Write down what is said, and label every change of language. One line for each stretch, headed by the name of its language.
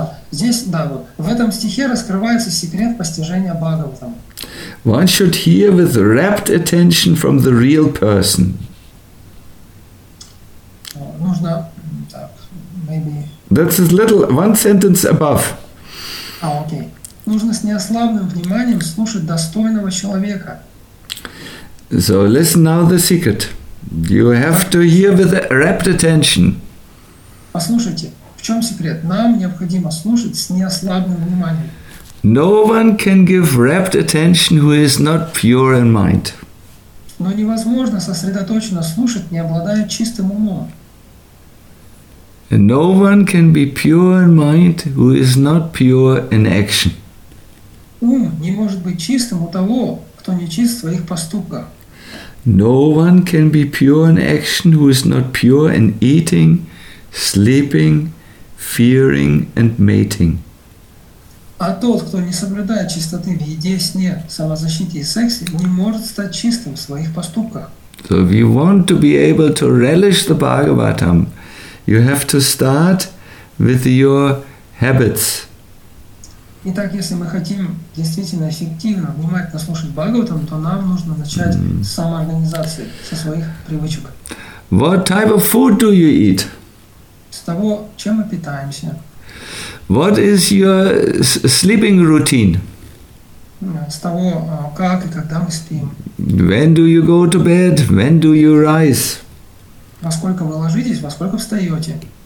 Russian: Здесь, да, в этом стихе раскрывается секрет постижения Бхагаватам.
English: One should hear with rapt attention from the real person.
Russian: Нужно, так,
English: maybe... That's a little, one sentence above. Okay.
Russian: Нужно с неослабным вниманием слушать достойного человека.
English: So listen now the secret. You have to hear with rapt attention.
Russian: Послушайте, в чем секрет? Нам необходимо слушать с неослабным вниманием.
English: No one can give rapt attention who is not pure in mind.
Russian: Но невозможно сосредоточенно слушать, не обладая чистым умом.
English: And no one can be pure in mind who is not pure in action.
Russian: Ум не может быть чистым у того, кто не чист в своих поступках.
English: No one can be pure in action who is not pure in eating, sleeping, fearing, and mating.
Russian: А тот, кто не соблюдает чистоты в еде, сне, самозащите и сексе, не может стать чистым в своих поступках.
English: So if you want to be able to relish the Bhagavatam, you have to start with your habits.
Russian: Итак, если мы хотим действительно эффективно, внимательно слушать Бхагаватам, то нам нужно начать с самоорганизации, со своих привычек.
English: What type of food do you eat?
Russian: С того, чем мы питаемся.
English: What is your sleeping routine?
Russian: С того, как и когда мы спим.
English: When do you go to bed? When do you rise?
Russian: Во сколько вы ложитесь, во сколько встаете?